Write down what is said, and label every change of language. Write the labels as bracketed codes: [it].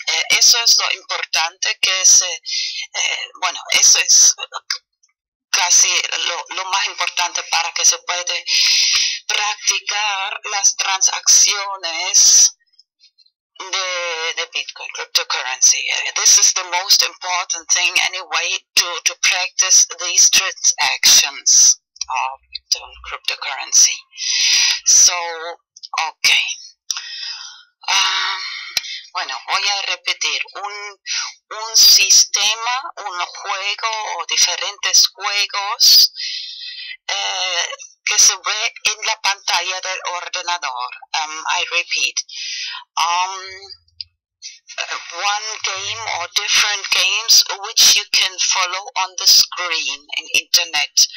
[es] Eso es lo importante que se, bueno, eso es casi lo más importante para que se puede practicar las transacciones de Bitcoin, cryptocurrency. [en] This is the most important thing anyway to practice these transactions of the cryptocurrency. So, okay. [es] Bueno, voy a repetir, un sistema, un juego o diferentes juegos que se ve en la pantalla del ordenador. [en] I repeat. One game or different games which you can follow on the screen in internet.